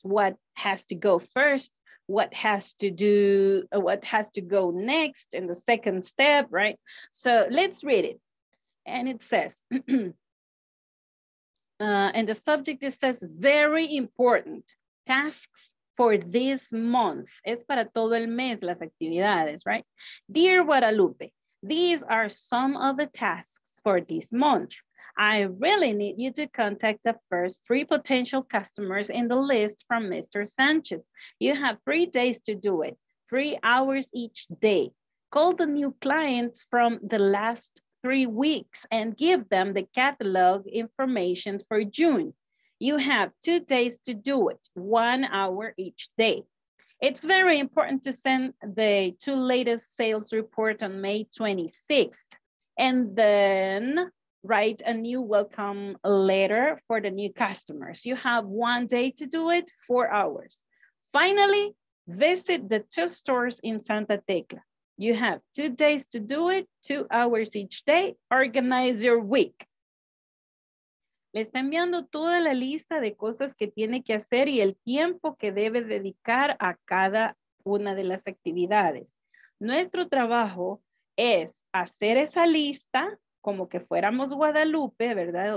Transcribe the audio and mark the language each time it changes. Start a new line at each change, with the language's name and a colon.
English: What has to go first? What has to go next in the second step, right? So let's read it. And it says, and the subject, it says, very important tasks for this month.
Spanish: Es para todo el mes las actividades, right?
English: Dear Guadalupe, these are some of the tasks for this month. I really need you to contact the first three potential customers in the list from Mr. Sanchez. You have 3 days to do it, 3 hours each day. Call the new clients from the last 3 weeks and give them the catalog information for June. You have 2 days to do it, 1 hour each day. It's very important to send the two latest sales report on May 26th and then write a new welcome letter for the new customers. You have one day to do it, 4 hours. Finally, visit the two stores in Santa Tecla. You have 2 days to do it, 2 hours each day. Organize your week.
Spanish: Le está enviando toda la lista de cosas que tiene que hacer y el tiempo que debe dedicar a cada una de las actividades. Nuestro trabajo es hacer esa lista como que fuéramos Guadalupe, ¿verdad?